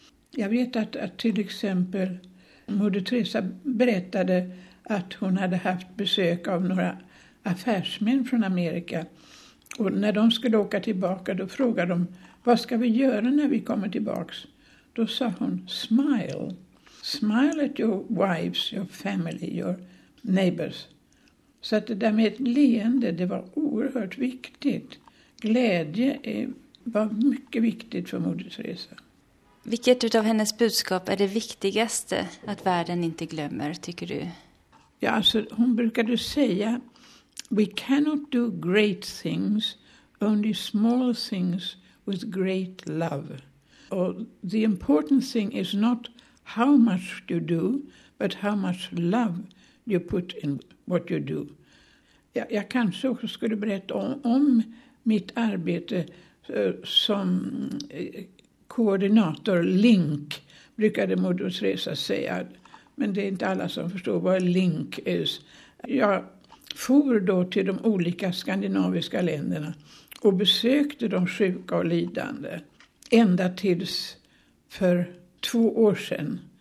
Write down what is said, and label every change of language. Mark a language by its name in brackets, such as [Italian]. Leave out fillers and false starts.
[Swedish] Jag vet att till exempel Moder Teresa berättade att hon hade haft besök av några affärsmän från Amerika. Och när de skulle åka tillbaka då frågade de, vad ska vi göra när vi kommer tillbaks? Då sa hon, smile. [English] Smile at your wives, your family, your neighbors. [Swedish] Så att det där med ett leende, det var oerhört viktigt. Glädje var mycket viktigt för Moder Teresa. Vilket utav hennes budskap är det viktigaste att världen inte glömmer, tycker du? Ja, alltså, hon brukade säga, [English] we cannot do great things, only small things with great love. Or, the important thing is not how much you do, but how much love you put in what you do. [Swedish] Jag kanske också skulle berätta om mitt arbete som koordinator, link, brukade Moder Teresa säga. Men det är inte alla som förstår vad link är. Jag for då till de olika skandinaviska länderna och besökte de sjuka och lidande ända tills för 2 år sedan.